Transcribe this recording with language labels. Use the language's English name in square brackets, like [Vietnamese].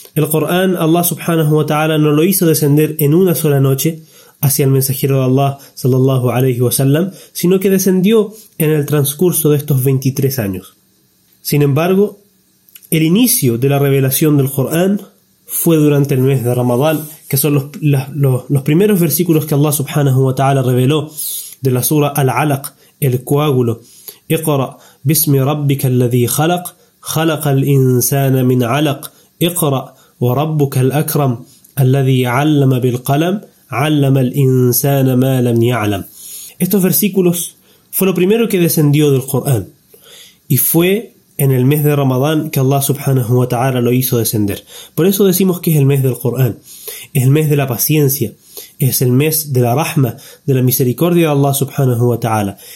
[Spanish] El Corán, Allah subhanahu wa ta'ala no lo hizo descender en una sola noche hacia el mensajero de Allah sallallahu alayhi wa sallam, sino que descendió en el transcurso de estos 23 años. Sin embargo, el inicio de la revelación del Corán fue durante el mes de Ramadán, que son los primeros versículos que Allah subhanahu wa ta'ala reveló de la sura Al-Alaq, el coágulo. [Arabic] اقرأ باسم ربك الذي خلق خلق الإنسان من علق اقرأ وربك الأكرم الذي علم بالقلم علم الإنسان ما لم يعلم. [Spanish] Estos versículos fue lo primero que descendió del Corán, y fue en el mes de Ramadán que Allah subhanahu wa ta'ala lo hizo descender. Por eso decimos que es el mes del Corán, es el mes de la paciencia, es el mes de la rahma, de la misericordia de Allah subhanahu wa ta'ala.